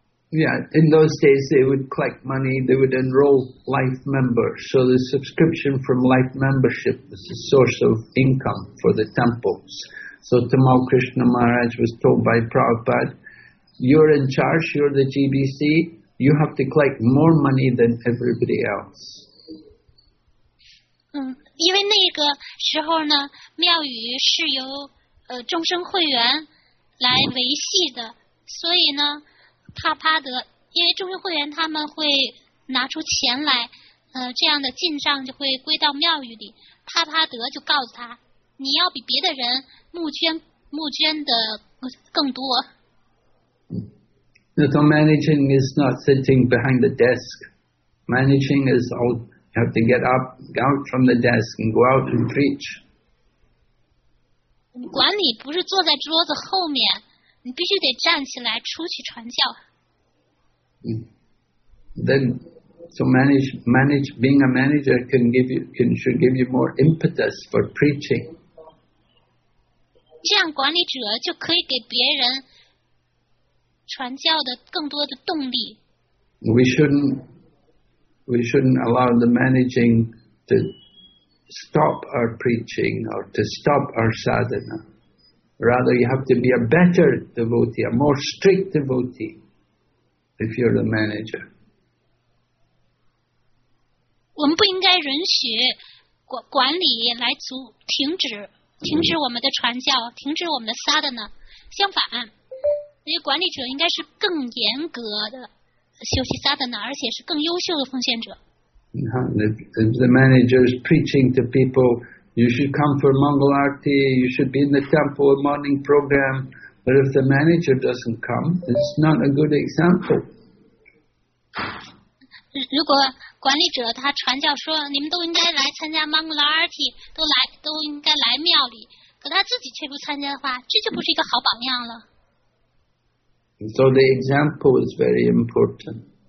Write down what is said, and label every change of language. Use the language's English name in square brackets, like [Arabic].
[English] Yeah, in those days they would collect money, they would enroll life members, so the subscription from life membership was a source of income for the temples. So Tamal Krishna Maharaj was told by Prabhupada, you're in charge, you're the GBC, you have to collect more money than everybody else. [Chinese] 因为那个时候呢，庙宇是由众生会员来维系的，所以呢帕帕德，因为众生会员他们会拿出钱来，这样的进账就会归到庙宇里。帕帕德就告诉他，你要比别的人募捐的更多。 [English] So managing is not sitting behind the desk. Managing is all you have to get up, go out from the desk, and go out and preach. [Chinese] 管理不是坐在桌子后面。你必须得站起来出去传教。 [English] Then, so being a manager should give you more impetus for preaching. [Chinese] 这样管理者就可以给别人传教的更多的动力。 [English] We shouldn't allow the managing to stop our preaching or to stop our sadhana. Rather, you have to be a better devotee, a more strict devotee, if you're the manager. [Chinese] 我们不应该允许管理来停止我们的传教，停止我们的 sadhana。相反，那些管理者应该是更严格的修习 sadhana， 而且是更优秀的奉献者。 [English] If the manager is preaching to people,You should come for Mangal Arti, you should be in the temple morning program. But if the manager doesn't come, it's not a good example. [Chinese] 如果管理者他传教说你们都应该来参加 Mangal Arti, 都应该来庙里，可他自己却不参加的话，这就不是一个好榜样了。 [English] So the example is very important.